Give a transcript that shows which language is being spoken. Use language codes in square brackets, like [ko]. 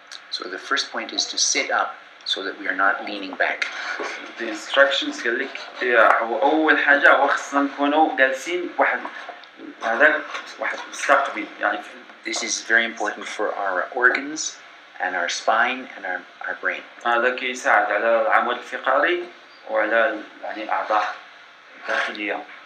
[en] So the first point is to sit up so that we are not leaning back. The instructions [ar] قال لك هو أول حاجة هو خصنا نكونوا جالسين واحد هذا واحد مستقبل يعني. [en] This is very important for our organs and our spine and our brain. [ar] هذا كيساعد على العمود الفقري وعلى يعني الأعضاء الداخلية.